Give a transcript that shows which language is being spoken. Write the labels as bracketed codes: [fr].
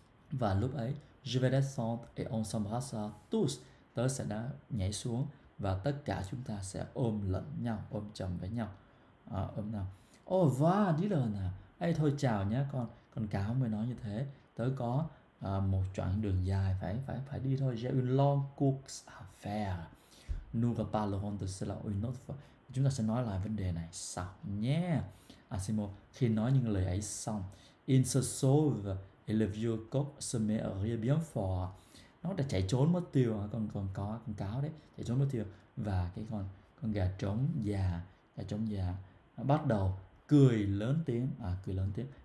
[vi] Và lúc ấy [fr] je vais descendre et on s'embrasse tous, [vi] tớ sẽ đã nhảy xuống và tất cả chúng ta sẽ ôm lẫn nhau, ôm chầm với nhau. Ôm nào, ô và đi rồi nè, ấy thôi chào nhé con. Con cáo mới nói như thế, tớ có một chặng đường dài phải phải phải đi thôi. [fr] J'ai une longue course à faire. Nous reparlerons de cela une autre fois. [vi] Chúng ta sẽ nói lại vấn đề này sau nhé. Asimo, khi nói những lời ấy xong, [fr] il se sauve et le vieux coq se met à rire bien fort. [vi] Nó đã chạy trốn mất tiêu, con cáo đấy, chạy trốn mất tiêu. Và cái con gà trống già bắt đầu cười lớn tiếng, cười lớn tiếng.